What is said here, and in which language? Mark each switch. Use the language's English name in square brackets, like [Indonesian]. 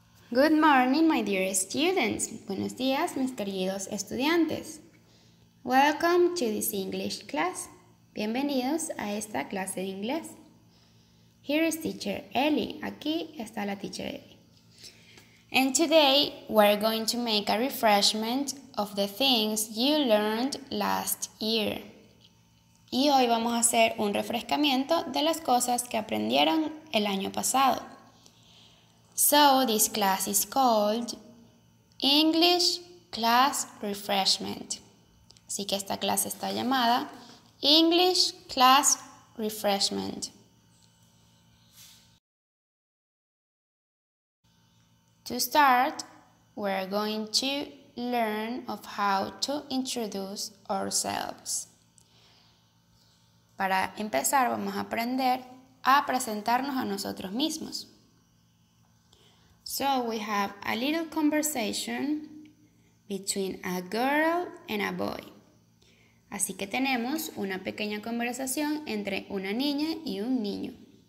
[English] Good morning, my dear students. [Spanish] Buenos días, mis queridos estudiantes. [English] Welcome to this English class. [Spanish] Bienvenidos a esta clase de inglés. [English] Here is teacher Ellie. [Spanish] Aquí está la teacher Ellie. [English] And today we're going to make a refreshment of the things you learned last year. [Spanish] Y hoy vamos a hacer un refrescamiento de las cosas que aprendieron el año pasado. [English] So, this class is called English Class Refreshment. [Spanish] Así que esta clase está llamada English Class Refreshment. [English] To start, we're going to learn of how to introduce ourselves. [Spanish] Para empezar, vamos a aprender a presentarnos a nosotros mismos. [English] So we have a little conversation between a girl and a boy. [Spanish] Así que tenemos una pequeña conversación entre una niña y un niño.